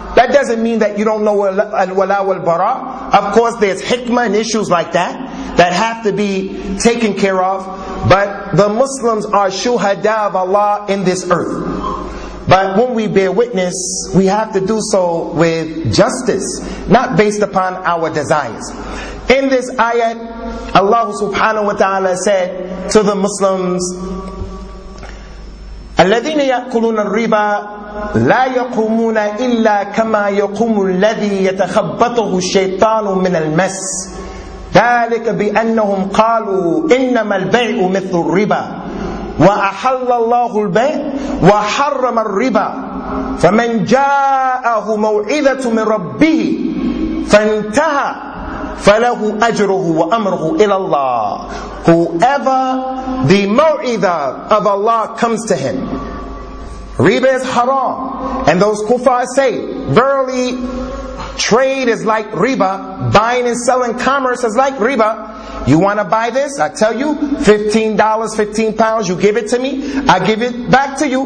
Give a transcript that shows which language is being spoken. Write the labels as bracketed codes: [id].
[en] That doesn't mean that you don't know al-wala wal-bara. Of course, there's hikmah and issues like that that have to be taken care of. But the Muslims are shuhada of Allah in this earth. But when we bear witness, we have to do so with justice, not based upon our desires. In this ayat, Allah subhanahu wa ta'ala said to the Muslims, [ar] الَّذِينَ يَأْكُلُونَ الرِّبَى لَا يَقُومُونَ إِلَّا كَمَا يَقُومُ الَّذِي يَتَخَبَّطُهُ الشَّيْطَانُ مِنَ الْمَسِ ذلك بأنهم قالوا إنما البيع مثل الربا وأحل الله البيع وحرم الربا فمن جاءه موعظة من ربه فانتهى فله أجره وأمره إلى الله. [en] Whoever the موعظة of Allah comes to him, riba is haram, and those kuffar say, verily trade is like riba, buying and selling commerce is like riba. You want to buy this? I tell you, $15, 15 pounds, you give it to me, I give it back to you.